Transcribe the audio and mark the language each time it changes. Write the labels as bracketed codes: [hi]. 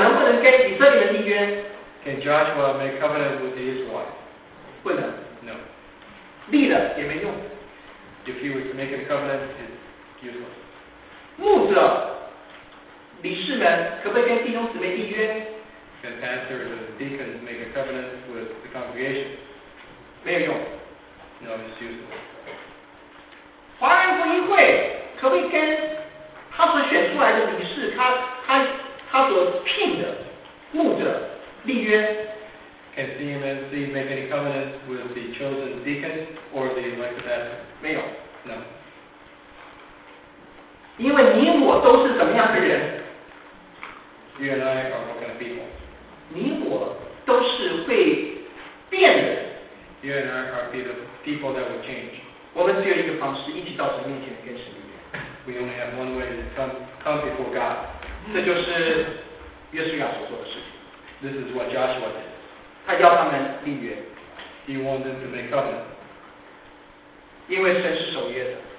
[zh] 你们睡着了哈？约书亚能不能跟以色列人立约？ [en] Can Joshua make covenant with the Israelites? [zh] 不能。 [en] No. [zh] 立了也没用。 [en] If he was making covenant, it's useless. [zh] 牧者、理事们可不可以跟弟兄姊妹立约？ [en] Can pastors and deacons make a covenant with the congregation? [zh] 没有用。 [en] No, it's useless. [zh] 华人福音会可不可以跟？他所选出来的理事，他所聘的牧者立约。 [en] Can CMNC make any covenant with the chosen deacon or the elected pastor? [zh] 没有。 [en] No. [zh] 因为你我都是怎么样的人？ [en] You and I are what kind of people? [zh] 你我都是会变的。 [en] You and I are the people that will change. [zh] 我们只有一个方式，一起到神面前跟神立约。 [en] We only have one way to come before God. [zh] 这就是约书亚所做的事情。 [en] This is what Joshua did. [zh] 他要他们立约。 [en] He wanted them to make covenant. [zh] 因为神是守约的。